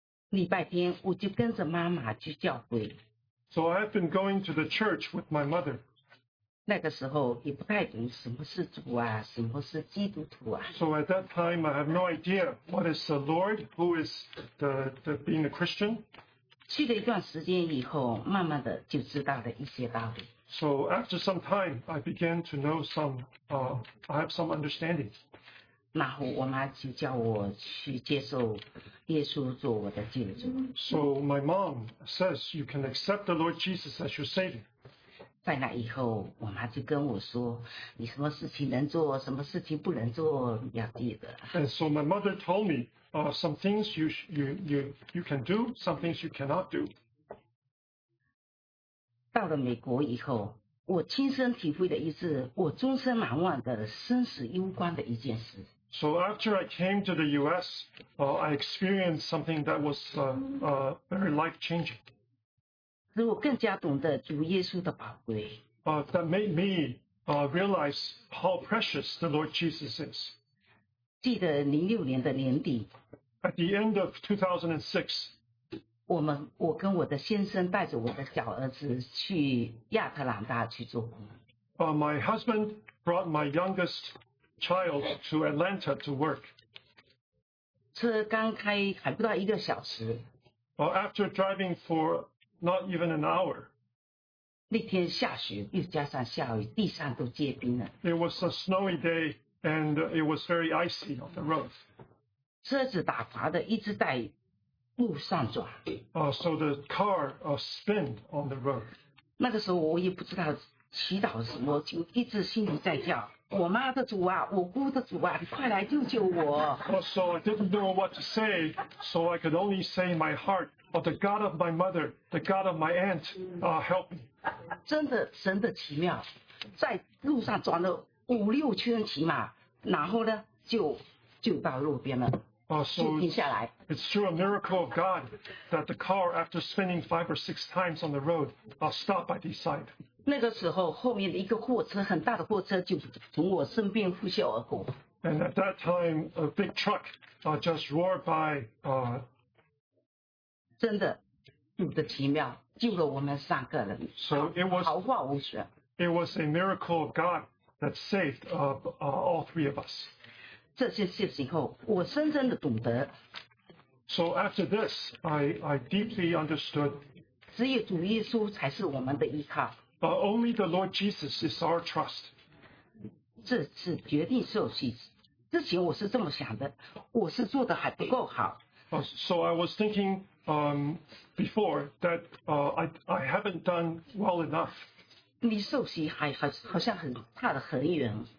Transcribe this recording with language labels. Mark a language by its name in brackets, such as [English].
[Chinese] 礼拜天我就跟着妈妈去教会。 [English] So I've been going to the church with my mother. [Chinese] 那个时候也不太懂什么是主啊，什么是基督徒啊。 [English] So at that time, I have no idea what is the Lord, who is the being a Christian. [Chinese] 去了一段时间以后，慢慢的就知道了一些道理。 [English] So after some time, I began to know some, I have some understanding. [Chinese] 然后我妈就叫我去接受耶稣做我的救主。 [English] So my mom says you can accept the Lord Jesus as your Savior. [Chinese] 在那以后，我妈就跟我说：“你什么事情能做，什么事情不能做，要记得。” [English] And so my mother told me, some things you can do, some things you cannot do. [Chinese] 到了美国以后，我亲身体会的一次我终身难忘的生死攸关的一件事。 [English] So after I came to the U.S., I experienced something that was very life-changing. [Chinese] 使我更加懂得主耶稣的宝贵。 [English] That made me realize how precious the Lord Jesus is. [Chinese] 记得06年的年底。 [English] At the end of 2006, [Chinese] 我跟我的先生带着我的小儿子去亚特兰大去做工。 [English] My husband brought my youngest child to Atlanta to work. [Chinese] 车刚开还不到一个小时。 [English] After driving for not even an hour. [Chinese] 那天下雪又加上下雨，地上都结冰了。 [English] It was a snowy day and it was very icy on the road. [Chinese] 车子打滑的一直在路上转。 [English] So the car spinned on the road. [Chinese] 那个时候我也不知道祈祷什么，就一直心里在叫，我妈的主啊，我姑的主啊，你快来救救我。 [English] So I didn't know what to say, so I could only say my heart,Oh, the God of my mother, the God of my aunt, help me. [Chinese] 真的神的奇妙，在路上转了五六圈起码，然后呢就到路边了， [English] so [Chinese] 就停下来。 [English] It's through a miracle of God that the car, after spinning five or six times on the road, stopped by the side. [Chinese] 那个时候后面的一个货车，很大的货车就从我身边呼啸而过。 [English] And at that time, a big truck just roared by. [Chinese] 真的，主的奇妙救了我们三个人，毫发无损。 [English] It was a miracle of God that saved all three of us. [Chinese] 这些事情后，我深深的懂得。 [English] So after this, I deeply understood. [Chinese] 只有主耶稣才是我们的依靠。 [English] But only the Lord Jesus is our trust. [Chinese] 这次决定受洗之前，我是这么想的，我是做的还不够好。 [English] So I was thinking. Before that, I haven't done well enough. [Chinese] 你受洗还好像很差得很远。